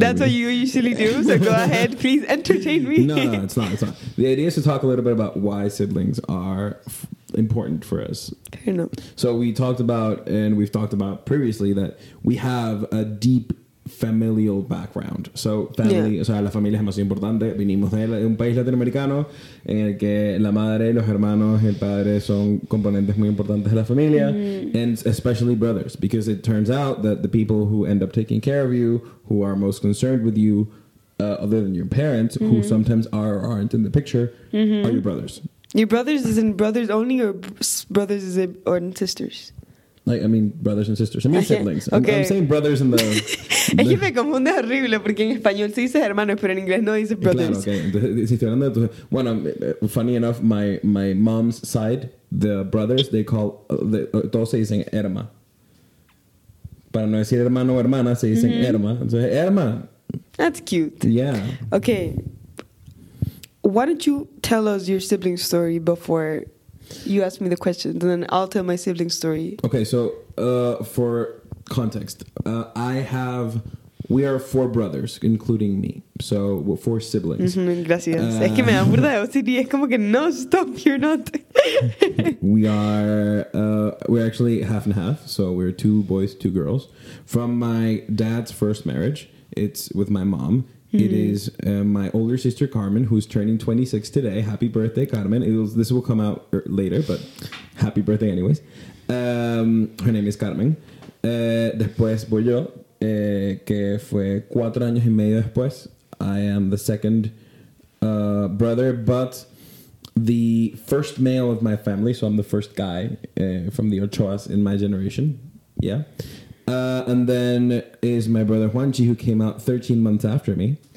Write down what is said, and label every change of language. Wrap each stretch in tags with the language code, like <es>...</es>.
<en>That's what you usually do. So go ahead, please entertain me. No, it's not. The idea is to talk a little bit about why siblings are important for us. Fair enough. So we've talked about previously that we have a deep familial background. So family, yeah.</en> <es>O sea, la familia es más importante. Venimos de un país latinoamericano en el que la madre, los hermanos, el padre son componentes muy importantes de la familia. Mm-hmm.</es> <en>And especially brothers, because it turns out that the people who end up taking care of you, who are most concerned with you, other than your parents, mm-hmm. who sometimes are or aren't in the picture, mm-hmm. are your brothers. Your brothers is in brothers only, or brothers is in or in sisters? Like, I mean, brothers and sisters. I mean, siblings. Okay. I'm saying brothers in the...</en> <es>Es que me confunde horrible, porque en español se dice hermanos, pero en inglés no dice brothers. Claro, okay.</es> <en>Bueno, funny enough, my mom's side, the brothers, they call...</en> <es>todos se dicen herma. Para no decir hermano o hermana, se dicen mm-hmm. herma. Entonces, herma.</es> <en>That's cute. Yeah. Okay. Why don't you tell us your sibling story before... You ask me the question, and then I'll tell my sibling story. Okay, so for context, we are four brothers, including me. So four siblings.</en> <es>Mm-hmm, gracias. Es que me da burda de OCD. Es como que no,</es> <en>stop, you're not. We're actually half and half. So we're two boys, two girls. From my dad's first marriage, it's with my mom. It is my older sister, Carmen, who's turning 26 today. Happy birthday, Carmen. This will come out later, but happy birthday anyways. Her name is Carmen.</en> <es>Después voy yo, que fue 4 años y medio después.</es> <en>I am the second brother, but the first male of my family. So I'm the first guy from the Ochoas in my generation. Yeah. And then is my brother, Juanchi, who came out 13 months after me.</en>